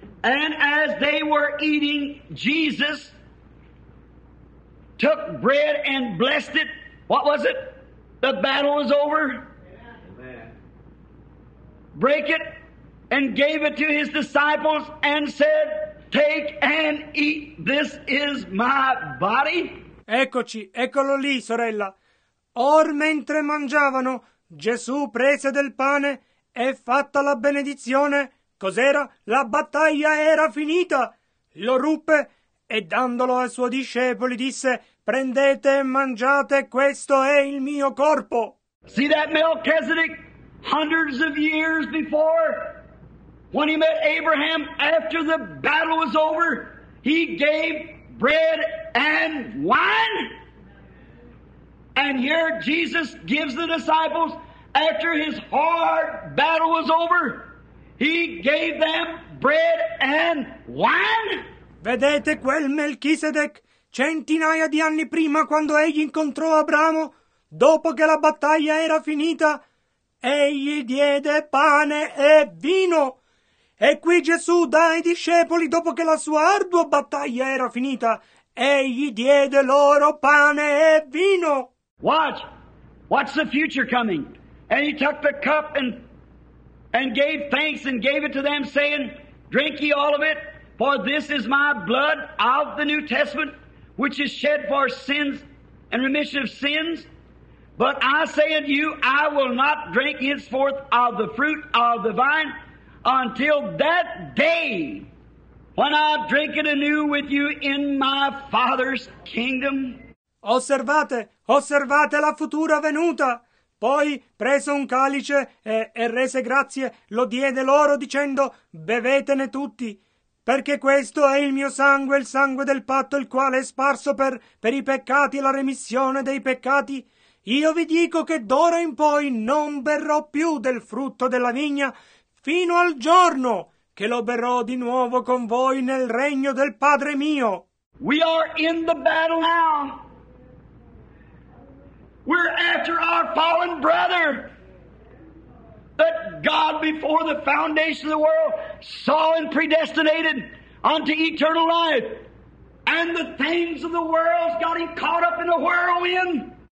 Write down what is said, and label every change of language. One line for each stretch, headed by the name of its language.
English: And as they were eating, Jesus took bread and blessed it. What was it? The battle was over. Amen. Break it and gave it to his disciples and said, take and eat, this is my body.
Italian: Eccoci, eccolo lì, sorella. Or mentre mangiavano, Gesù prese del pane e fatta la benedizione. Cos'era? La battaglia era finita. Lo ruppe e dandolo ai suoi discepoli disse, prendete e mangiate, questo è il mio corpo.
English: See that Melchizedek, hundreds of years before, when he met Abraham, after the battle was over, he gave bread and wine. And here Jesus gives the disciples, after his hard battle was over, he gave them bread and wine.
Italian: Vedete quel Melchisedec? Centinaia di anni prima, quando egli incontrò Abramo, dopo che la battaglia era finita, egli diede pane e vino. E qui Gesù dà ai discepoli, dopo che la sua ardua battaglia era finita, egli diede loro pane e vino.
English: Watch. Watch the future coming. And he took the cup and gave thanks and gave it to them, saying, drink ye all of it, for this is my blood of the New Testament, which is shed for sins and remission of sins. But I say unto you, I will not drink henceforth of the fruit of the vine, until that day when I drink it anew with you in my Father's kingdom.
Italian: Osservate, osservate la futura venuta. Poi prese un calice e rese grazie, lo diede loro dicendo, bevetene tutti, perché questo è il mio sangue, il sangue del patto, il quale è sparso per i peccati, la remissione dei peccati. Io vi dico che d'ora in poi non berrò più del frutto della vigna, fino al giorno che lo berrò di nuovo con voi nel regno del Padre mio.
English: We are in the battle now. We're after our fallen brother that God before the foundation of the world saw and predestinated unto eternal life. And the things of the world got him caught up in a whirlwind.